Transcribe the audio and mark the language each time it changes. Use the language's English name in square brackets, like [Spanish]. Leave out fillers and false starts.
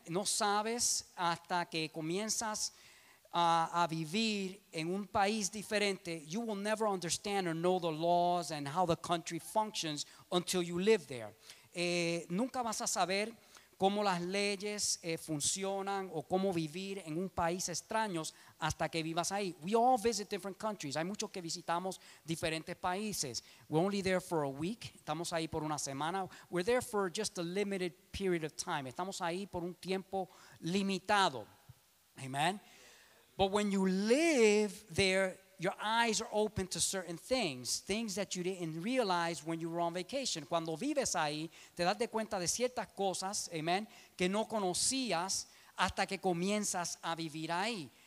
[Spanish] No sabes hasta que comienzas a vivir en un país diferente. [English] You will never understand or know the laws and how the country functions until you live there. [Spanish] Nunca vas a saber cómo las leyes funcionan o cómo vivir en un país extraño hasta que vivas ahí. [English] We all visit different countries. [Spanish] Hay muchos que visitamos diferentes países. [English] We're only there for a week. [Spanish] Estamos ahí por una semana. [English] We're there for just a limited period of time. [Spanish] Estamos ahí por un tiempo limitado. [English] Amen. But when you live there, your eyes are open to certain things, things that you didn't realize when you were on vacation. [Spanish] Cuando vives ahí, te das de cuenta de ciertas cosas, amen, que no conocías hasta que comienzas a vivir ahí.